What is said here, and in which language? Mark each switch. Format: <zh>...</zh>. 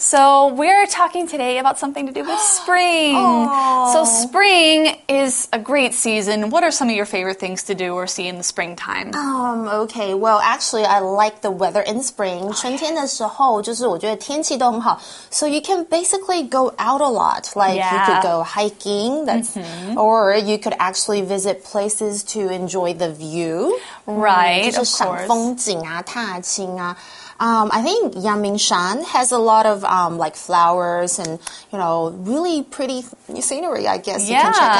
<en>So we're talking today about something to do with spring. So Oh. spring is a great season. What are some of your favorite things to do or see in the springtime? Okay. Well, actually, I like the weather in spring.</en> <zh>春天的时候，就是我觉得天气都很好.</zh> <en>So you can basically go out a lot. Like you could go hiking. Or you could actually visit places to enjoy the view. Right, of course.</en> <zh>踏青啊,</zh> <en>I think Yangmingshan has a lot of like flowers and really pretty scenery, I guess you can check</en>